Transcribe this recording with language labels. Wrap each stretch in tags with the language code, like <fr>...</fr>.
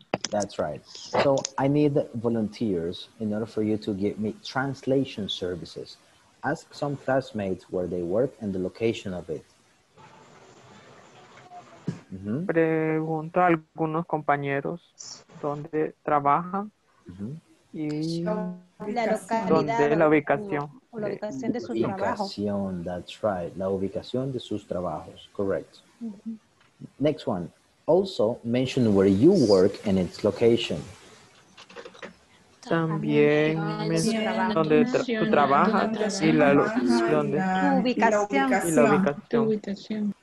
<en>That's right. So I need volunteers in order for you to give me translation services. Ask some classmates where they work and the location of it. Mm-hmm.</en> <es>Pregunto a algunos compañeros donde trabajan y donde la ubicación. La ubicación de su trabajo.</es> <en>That's right.</en> <es>La ubicación de sus trabajos.</es> <en>Correct.</en> <es>Mm-hmm.</es> <en>Next one. Also mention where you work and its location.</en> <es>También menciona donde tú trabajas y la ubicación.</es>